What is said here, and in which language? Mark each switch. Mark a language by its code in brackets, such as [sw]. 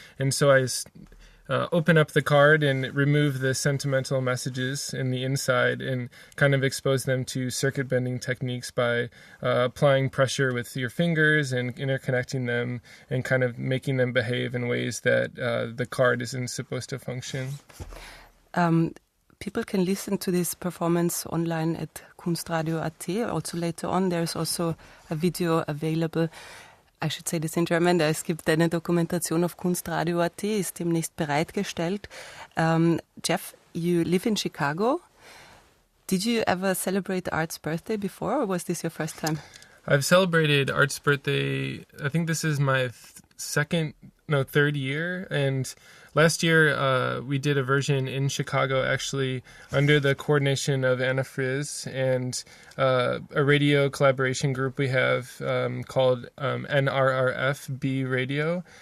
[en] And so I open up the card and remove the sentimental messages in the inside and kind of expose them to circuit bending techniques by applying pressure with your fingers and interconnecting them and kind of making them behave in ways that the card isn't supposed to function. People can listen to this performance online at kunstradio.at. Also later on, there's also a video available. I should say this in German. [de] Es gibt eine Dokumentation auf kunstradio.at, ist demnächst bereitgestellt. [en] Jeff, you live in Chicago. Did you ever celebrate Art's birthday before, or was this your first time? I've celebrated Art's birthday, I think this is my third year. And last year, we did a version in Chicago, actually, under the coordination of Anna Frizz and a radio collaboration group we have called NRRFB Radio.